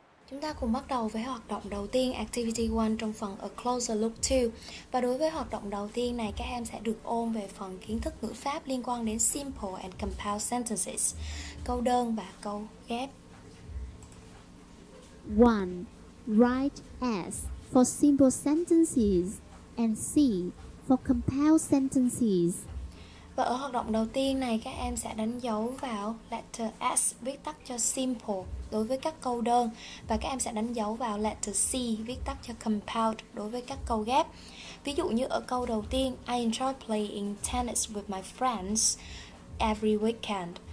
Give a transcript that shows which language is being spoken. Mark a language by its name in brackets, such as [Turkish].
[Vietnamese] Chúng ta cùng bắt đầu với hoạt động đầu tiên, Activity 1 trong phần A Closer Look 2. Và đối với hoạt động đầu tiên này, các em sẽ được ôn về phần kiến thức ngữ pháp liên quan đến Simple and Compound Sentences, câu đơn và câu ghép. [English] 1. Write S for simple sentences and C for compound sentences. [Vietnamese] Và ở hoạt động đầu tiên này, các em sẽ đánh dấu vào letter S viết tắt cho Simple đối với các câu đơn, và các em sẽ đánh dấu vào letter C viết tắt cho compound đối với các câu ghép. Ví dụ như ở câu đầu tiên, [English] I enjoy playing tennis with my friends every weekend.